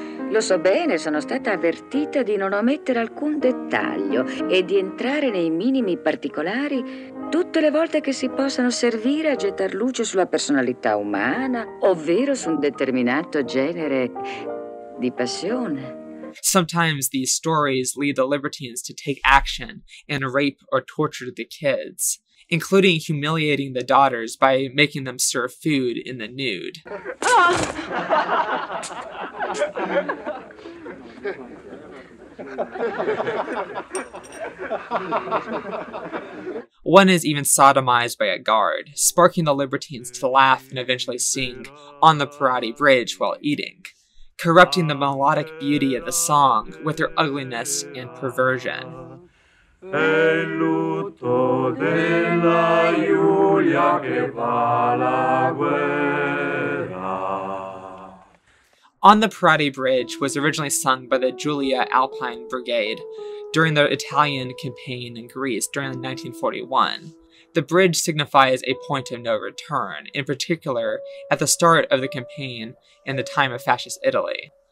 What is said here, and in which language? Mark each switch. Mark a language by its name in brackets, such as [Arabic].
[Italian] Lo so bene, sono stata avvertita di non omettere alcun dettaglio e di entrare nei minimi particolari tutte le volte che si possano servire a gettar luce sulla personalità umana, ovvero su un determinato genere di passione. [English] Sometimes these stories lead the libertines to take action and rape or torture the kids, including humiliating the daughters by making them serve food in the nude. One is even sodomized by a guard, sparking the libertines to laugh and eventually sing on the Parati Bridge while eating, corrupting the melodic beauty of the song with their ugliness and perversion. [Italian] È il lutto della Giulia che va alla guerra. [English] On the Parati Bridge was originally sung by the Giulia Alpine Brigade during the Italian campaign in Greece during 1941. The bridge signifies a point of no return, in particular at the start of the campaign in the time of Fascist Italy.